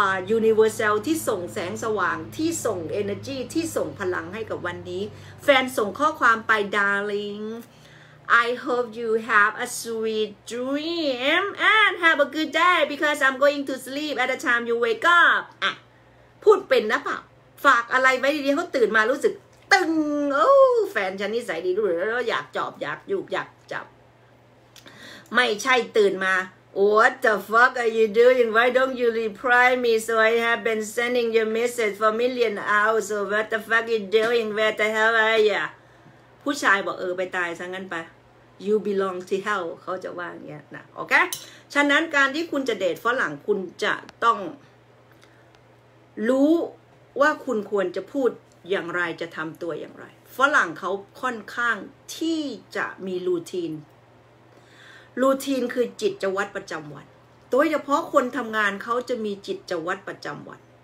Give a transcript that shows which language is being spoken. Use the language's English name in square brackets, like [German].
[Thai] ยูนิเวอร์แซลที่ส่งแสงสว่างที่ส่งเอเนอร์จีที่ส่งพลังให้กับวันนี้แฟนส่งข้อความไปดาร์ลิง [English] I hope you have a sweet dream and have a good day because I'm going to sleep at the time you wake up. [Thai] อ่ะพูดเป็นนะป่ะฝากอะไรไว้ดีๆเขาตื่นมารู้สึกตึงโอ้แฟนฉันนิสัยดีด้วยแล้วอยากจอบอยากยูบอยากจับไม่ใช่ตื่นมา [English] What the fuck are you doing? Why don't you reply me so I have been sending your message for million hours? So what the fuck are you doing? Where the hell are you? [Thai] ผู้ชายบอกไปตายซะงั้นไป [English] you belong to hell [Thai] เขาจะว่าอย่างเงี้ยนะโอเคฉะนั้นการที่คุณจะเดทฝรั่งคุณจะต้องรู้ว่าคุณควรจะพูดอย่างไรจะทำตัวอย่างไรฝรั่งเขาค่อนข้างที่จะมีรูทีนรูทีนคือจิตจะวัดประจำวันโดยเฉพาะคนทำงานเขาจะมีจิตจะวัดประจำวัน